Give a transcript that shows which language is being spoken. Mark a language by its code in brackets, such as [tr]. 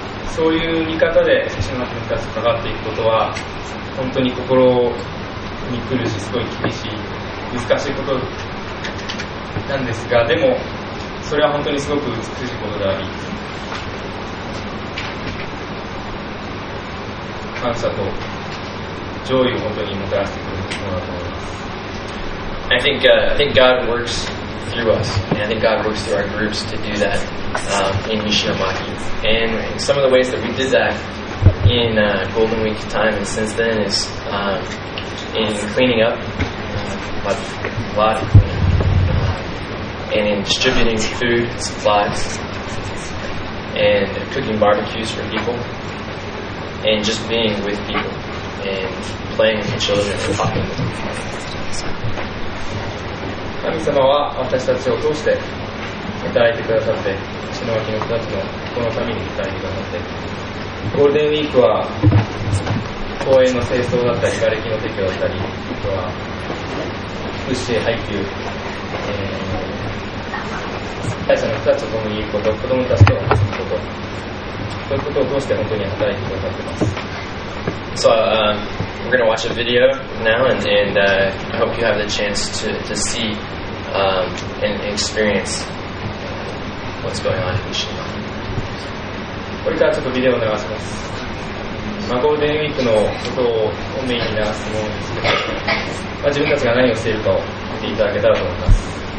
[ja] そういう見方で石巻の人たちと関わっていくことは、本当に心に苦しい、すごい厳しい、難しいことなんですが、でも、それは本当にすごく美しいことであり、感謝と上位を本当にもたらしてくれるものだと思います。 [en] I think God works through us, and I think God works through our groups to do that in Ishinomaki. And some of the ways that we did that in Golden Week time and since then is in cleaning up a lot of cleaning, and in distributing food and supplies and cooking barbecues for people and just being with people and playing with the children and talking with them. [ja] 神様は私たちを通して働いてくださって、石巻の人たちのこのために働いてくださって、ゴールデンウィークは公園の清掃だったり、瓦礫の撤去だったり、あとは物資配給、会社の人たちと共にいること、子どもたちと遊ぶこと、そういうことを通して本当に働いてくださってます。 [en] So we're going to watch a video now and I hope you have the chance to seeand experience what's going on in Ishinomaki. [ja] これからちょっとビデオを流します。ゴールデンウィークのことをメインに流すと思うんですけど、自分たちが何をしているかを見ていただけたらと思います。